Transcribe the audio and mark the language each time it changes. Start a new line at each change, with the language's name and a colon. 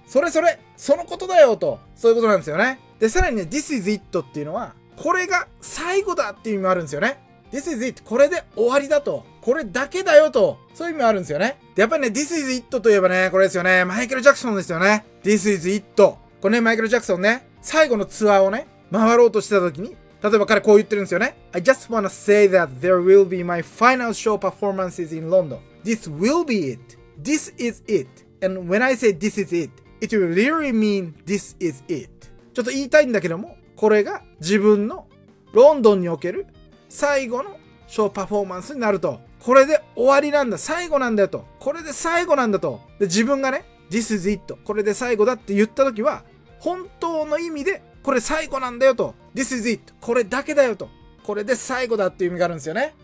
Japanese: それそれそのことだよと、そういうことなんですよね。でさらにね、
English: This is it
Japanese: っていうのはこれが最後だっていう意味もあるんですよね。
English: This is it、
Japanese: これで終わりだと、これだけだよと、そういう意味もあるんですよね。でやっぱりね、
English: This is it
Japanese: といえばね、これですよね、マイケル・ジャクソンですよね。
English: This is it、
Japanese: これね、マイケル・ジャクソンね、最後のツアーをね、回ろうとしてた時に、例えば彼こう言ってるんですよね。
English: I just wanna say that there will be my final show performances in London. This will be it. This is it. And when I say this is it, it will really mean this is it.
Japanese: ちょっと言いたいんだけども、これが自分のロンドンにおける最後のショーパフォーマンスになると、これで終わりなんだ、最後なんだよと、これで最後なんだと。で自分がね、
English: This is it、
Japanese: これで最後だって言った時は、本当の意味でこれ最後なんだよと、 This is it、 これだけだよと、これで最後だっていう意味があるんですよね。